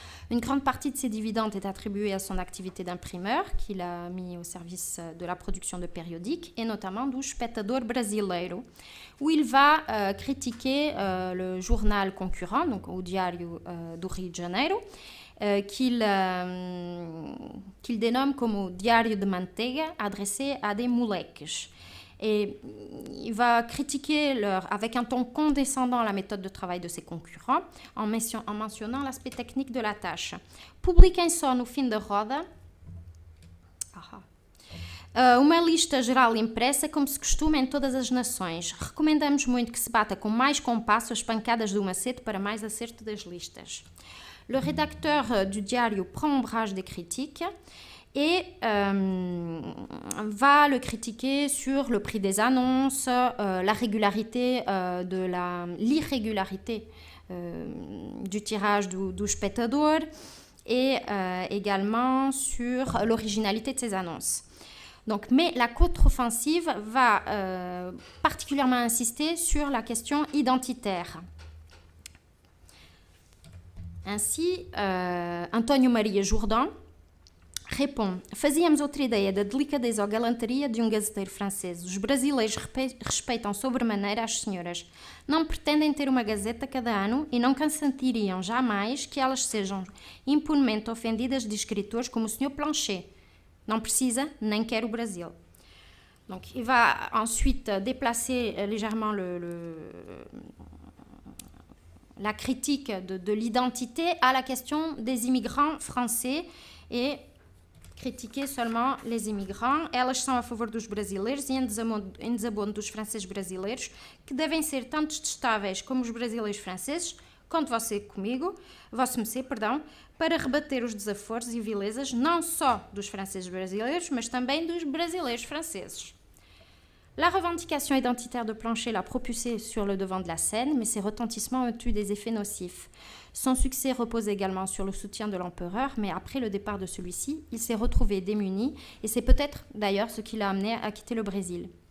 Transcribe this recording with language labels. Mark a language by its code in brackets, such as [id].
[fr] Une grande partie de ses dividendes est attribuée à son activité d'imprimeur, qu'il a mis au service de la production de périodiques, et notamment du Espectador Brasileiro, où il va critiquer le journal concurrent, donc au Diario do Rio de Janeiro, qu'il dénomme comme « Diario de Manteiga » adressé à des moleques. Et il va critiquer avec un ton condescendant la méthode de travail de ses concurrents en mentionnant l'aspect technique de la tâche. [pt] « Publiquem-se no fim de roda uma lista geral impressa como se costuma em todas as nações. Recomendamos muito que se bata com mais compasso as pancadas do macete para mais acerto das listas. [fr] » Le rédacteur du Diario prend ombrage des critiques et va le critiquer sur le prix des annonces, la régularité de l'irrégularité du tirage du Spectador et également sur l'originalité de ses annonces. Donc, mais la contre-offensive va particulièrement insister sur la question identitaire. Ainsi, António Maria Jourdan répond [pt] « Fazíamos outra ideia da delicadeza ou galanteria de um gazeteiro francês. Os brasileiros respeitam sobremaneira as senhoras. Não pretendem ter uma gazeta cada ano e não consentiriam jamais que elas sejam impunemente ofendidas de escritores como o Sr. Plancher. Não precisa, nem quer o Brasil. [fr] » Donc, il va ensuite déplacer légèrement la critique de l'identité à la question des immigrants français et critiquer seulement les immigrants. Elles sont [pt] à favor dos brasileiros e em desabono dos franceses brasileiros, que devem ser tanto detestáveis como os brasileiros franceses, conto você comigo, vosso mecê, perdão, para rebater os desaforos e vilezas não só dos franceses brasileiros, mas também dos brasileiros franceses. [fr] La revendication identitaire de Plancher l'a propulsé sur le devant de la scène, mais ses retentissements ont eu des effets nocifs. Son succès repose également sur le soutien de l'empereur, mais après le départ de celui-ci, il s'est retrouvé démuni, et c'est peut-être d'ailleurs ce qui l'a amené à quitter le Brésil.